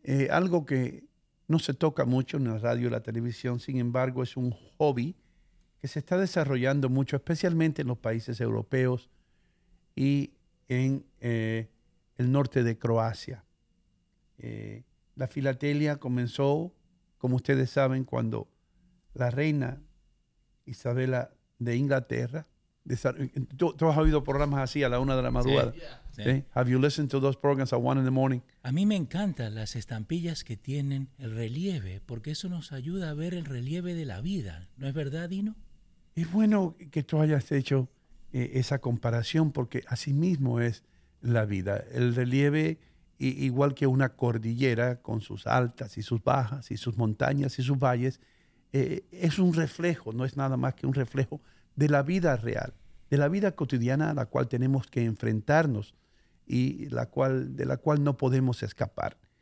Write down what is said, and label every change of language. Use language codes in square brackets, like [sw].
[es] Algo que no se toca mucho en la radio y la televisión, sin embargo, es un hobby que se está desarrollando mucho, especialmente en los países europeos y en el norte de Croacia. La filatelia comenzó, como ustedes saben, cuando la reina Isabela de Inglaterra. ¿Tú has oído programas así a la una de la madrugada? Sí. Sí. [en] Have you listened to those programs at one in the morning? [es] A mí me encantan las estampillas que tienen el relieve, porque eso nos ayuda a ver el relieve de la vida. ¿No es verdad, Dino? Es bueno que tú hayas hecho esa comparación, porque así mismo es la vida. El relieve, igual que una cordillera con sus altas y sus bajas y sus montañas y sus valles, es un reflejo, no es nada más que un reflejo de la vida real, de la vida cotidiana a la cual tenemos que enfrentarnos y de la cual no podemos escapar.